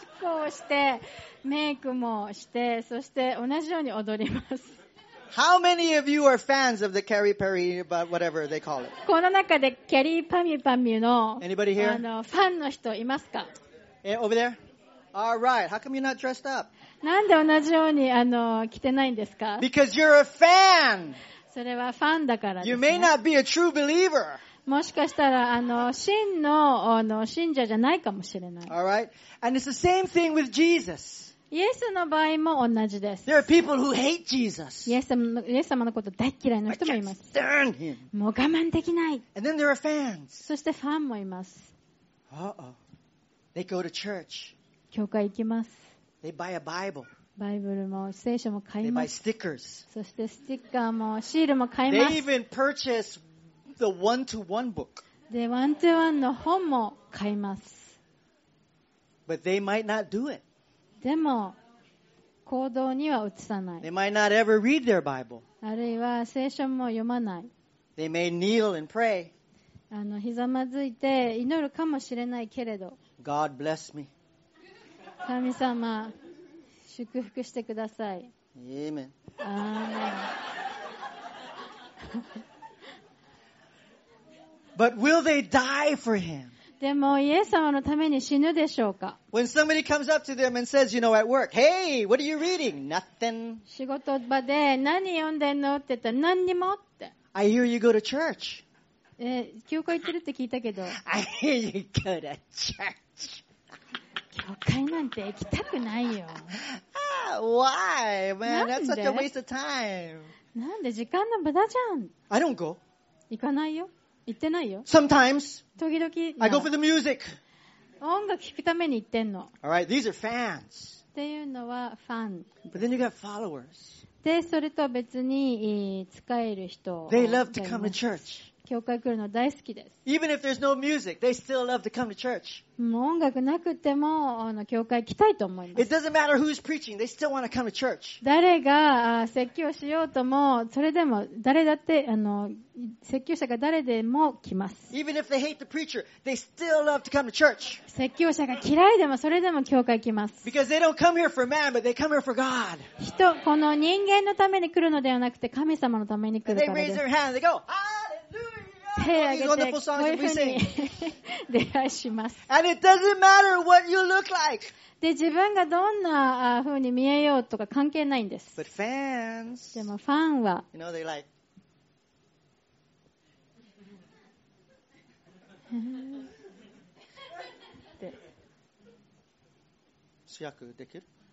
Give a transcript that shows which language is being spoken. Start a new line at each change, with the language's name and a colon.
Japanese: 格好をしてメイクもしてそして同じように踊ります。
English: How many of you are fans of the Keri Peri, but whatever they call it?
Japanese: この中でキャリーパミュパミュの
English: Anybody here?
Japanese: ファンの人いますか
English: Over there? All right. How come you're not dressed up?
Japanese: なんで同じように着てないんですか
English: Because you're a fan.
Japanese: それはファンだからですね。
English: You may not be a true believer.
Japanese: もしかしたら真の信者じゃないかもしれない。
English: All right. And it's the same thing with Jesus.
Japanese: イエスの場合も同じです。
English: There are people who hate Jesus.
Japanese: イエス様のこと大嫌いの人もいます。
English: I can't stand him.
Japanese: もう我慢できない。
English: And then there are fans.
Japanese: そしてファンもいます。
English: Uh-oh. They go to church.
Japanese: 教会行きます。
English: They buy a Bible.
Japanese: バイブルも聖書も買います。
English: They buy stickers.
Japanese: そしてスティッカーもシールも買います。
English: They even purchase the one-to-one book.
Japanese: で、ワントゥワンの本も買います。
English: But they might not do it.
Japanese: でも行動には移さない。
English: They might not ever read their Bible.
Japanese: あるいは聖書も読まない。
English: They may kneel and pray.
Japanese: ひざまずいて祈るかもしれないけれど。
English: God bless me.
Japanese: 神様、祝福してください。
English: Amen. Amen. But will they die for him?
Japanese: でもイエス様のために死ぬでしょうか
English: When somebody comes up to them and says, you know, at work, hey, what are you reading? Nothing.
Japanese: 仕事場で何読んでんのって言ったら何にもって。
English: I hear you go to church.
Japanese: 教会行ってるって聞いたけど。
English: I hear you go to church.
Japanese: 教会なんて行きたくないよ。
English: Why? Man, that's such a waste of time.
Japanese: なんで時間の無駄じゃん。
English: I don't go.
Japanese: 行かないよ。言ってないよ。
English: Sometimes,
Japanese: 時々、
English: I go for the music.
Japanese: 音楽聴くために行ってんの。
English: All right, these are fans.
Japanese: っていうのはファン。
English: But then you got followers.
Japanese: で、それとは別に使える人。
English: They love to come to church.
Japanese: 教会来るの大好きです。
English: Even if there's no music, they still love to come to church.
Japanese: もう音楽なくても教会来たいと思います。
English: It doesn't matter who's preaching, they still want to come to church.
Japanese: 誰が説教しようとも、それでも誰だって説教者が誰でも来ます。
English: Even if they hate the preacher, they still love to come to church.
Japanese: 説教者が嫌いでもそれでも教会来ます。
English: Because they don't come here for man, but they come here for God.
Japanese: 人、この人間のために来るのではなくて神様のために来るからです。
English: And they raise their hand, they go, Hallelujah!
Japanese: 手を挙げて、こういうふうに礼拝します。
English: And it doesn't matter what you look like.
Japanese: で、自分がどんな風に見えようとか関係ないんです。
English: But fans,
Japanese: でもファンは、
English: you know, they like,
Japanese: 主役できる？